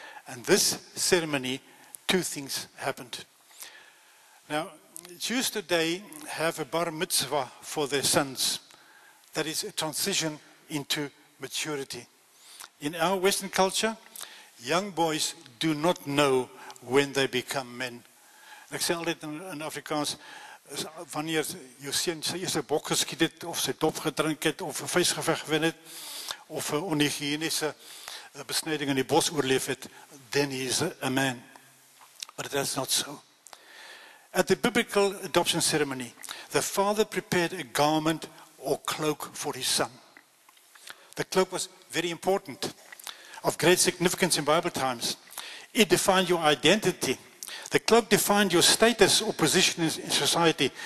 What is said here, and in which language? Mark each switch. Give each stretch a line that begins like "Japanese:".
English: And this ceremony, two things happened. Now, Jews today have a bar mitzvah for their sons. That is a transition into maturity. In our Western culture, young boys do not know when they become men.
Afrikaans: Ek sê altyd in Afrikaans, wanneer jou seun sy eerste bok geskiet het, of sy dop gedrink het, of 'n vuisgeveg gewen het, of 'n onhygiëniese besnyding in die bos oorleef het,
English: then he is a man. But that's not so. At the biblical adoption ceremony, the father prepared a garment or cloak for his son. The cloak was very important, of great significance in Bible times. It defined your identity. The cloak defined your status or position in society.